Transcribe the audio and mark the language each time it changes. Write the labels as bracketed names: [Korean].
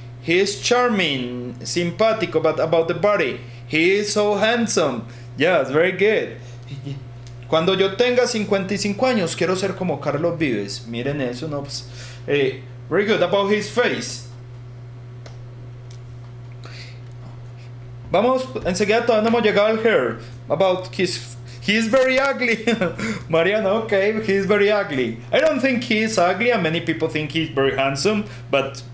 [English] He is charming, simpático, but about the body, he is so handsome. Yes, very good. [Spanish] Cuando yo tenga 55 años, quiero ser como Carlos Vives. Miren eso, no. [English] Very good. About his face. [Spanish] Vamos, enseguida todavía no hemos llegado al hair. [English] About his... He is very ugly. Mariana, okay. He is very ugly. I don't think he is ugly, and many people think he is very handsome, but...